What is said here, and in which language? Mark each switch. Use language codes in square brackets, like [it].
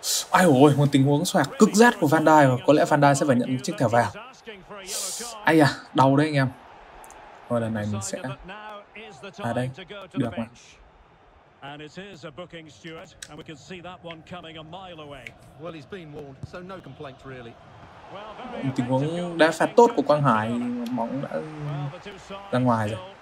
[vi] Ai ôi, một tình huống xoạc cực rát của Van Dijk, và có lẽ Van Dijk sẽ phải nhận chiếc thẻ vàng. Ai à, đau đấy anh em. Rồi lần này mình sẽ à đây được mà. [en] And it is a booking, Stuart, and we can see that one coming a mile away. Well, he's been warned, so no complaint really. [vi] Tình huống đá phạt tốt của Quang Hải, bóng đã ra ngoài rồi.